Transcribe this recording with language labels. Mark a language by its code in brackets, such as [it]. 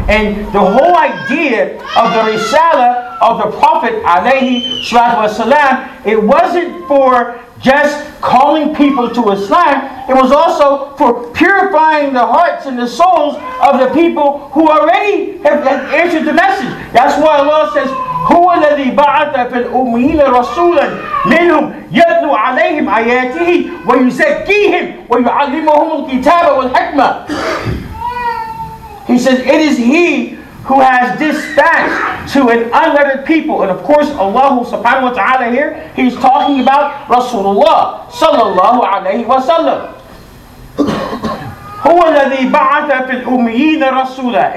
[en] And the whole idea of the risala of the Prophet alayhi salatu wasalam, it wasn't for just calling people to Islam, it was also for purifying the hearts and the souls of the people who already have answered the message. That's why Allah says, [ar] هُوَ الَّذِي بَعَثَ فِي الْأُمِّيِّينَ رَسُولًا مِنْهُمْ يَتْلُو عَلَيْهِمْ آيَاتِهِ وَيُزَكِّيهِمْ وَيُعَلِّمُهُمُ الْكِتَابَ وَالْحِكْمَةَ. [en] He says, it is He who has dispatched to an unlettered people. And of course, Allah subhanahu wa ta'ala here, He's talking about Rasulullah sallallahu alayhi wa sallam. [ar] هُوَ الَّذِي بَعَثَ فِي الْأُمِّيِّينَ رَسُولًا.